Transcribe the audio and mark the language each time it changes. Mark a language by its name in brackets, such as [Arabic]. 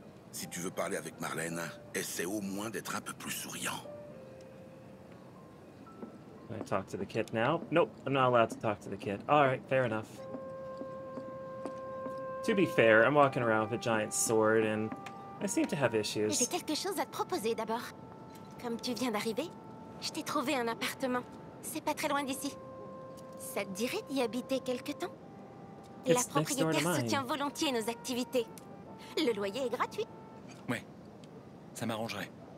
[French] Si tu veux parler avec Marlène, essaie au moins d'être un peu plus souriant. [English] Can I talk to the kid now? Nope, I'm not allowed to talk to the kid. Alright, fair enough. To be fair, I'm walking around with a giant sword and I seem to have issues. [French] J'ai quelque chose à te proposer d'abord. Comme tu viens d'arriver, je t'ai trouvé un appartement. C'est pas très loin d'ici. Ça te dirait d'y habiter quelque temps? [English] It's [French] la propriétaire soutient volontiers nos activités. Le loyer est gratuit. Ouais, ça m'arrangerait.